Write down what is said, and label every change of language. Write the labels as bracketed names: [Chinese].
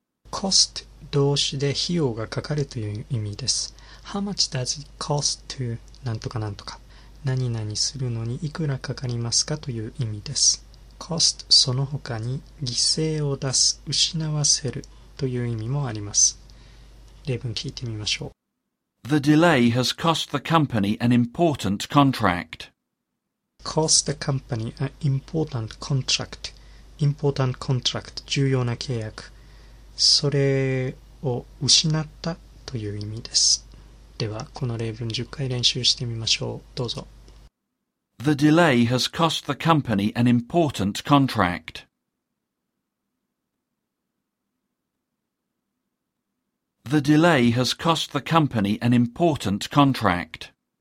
[Japanese] Cost 動詞で費用がかかるという意味です。 [English] How much does it cost to [Japanese] 何とか何とか何々するのにいくらかかりますかという意味です。 Cost その他に犠牲を出す、失わせるという意味もあります。例文聞いてみましょう。 [English] The delay has cost the company an important contract. Cost the company an important contract. Important contract, [Japanese] 重要な契約。それを失ったという意味です。では、この例文10回練習してみましょう。どうぞ。 [English] The delay has cost the company an important contract. The delay has cost the company an important contract.